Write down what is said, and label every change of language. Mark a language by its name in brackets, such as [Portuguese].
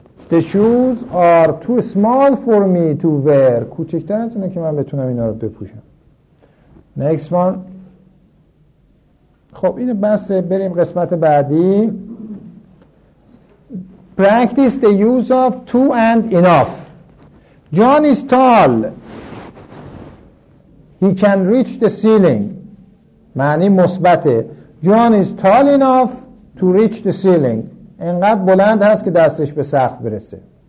[English] The shoes are too small for me to wear. [Persian] کوچکتر از اونه که من بتونم اینا رو بپوشم. [English] Next one. [Persian] خب اینو بس بریم قسمت بعدی. [English] Practice the use of too and enough. John is tall. He can reach the ceiling. [Persian] معنی مثبته. [English] John is tall enough to reach the ceiling. [Persian] انقدر بلند هست که دستش به سقف برسه.